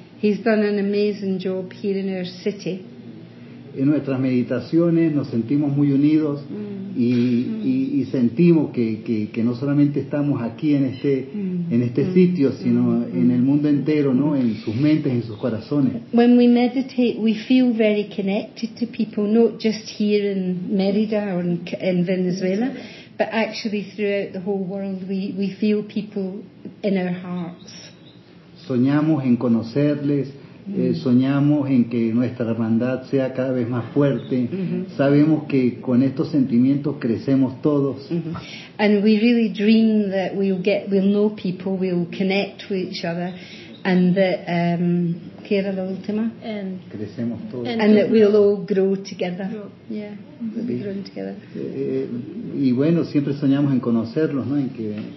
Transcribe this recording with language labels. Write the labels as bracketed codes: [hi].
[en] He's done an amazing job here in our city. [es] En nuestras meditaciones nos sentimos muy unidos y sentimos que no solamente estamos aquí en este sitio, sino en el mundo entero, ¿no? En sus mentes, en sus corazones. [en] When we meditate, we feel very connected to people, not just here in Mérida or in Venezuela, but actually throughout the whole world we feel people in our hearts. [es] Soñamos en conocerles, soñamos en que nuestra hermandad sea cada vez más fuerte. Mm-hmm. Sabemos que con estos sentimientos crecemos todos. Mm-hmm. [en] And we really dream that we'll know people, we'll connect with each other, and that [es] ¿qué era la última? And crecemos todos. [en] And that we'll all grow together. Grow. Yeah, we'll be growing together. [es] Y bueno, siempre soñamos en conocerlos, ¿no? En que.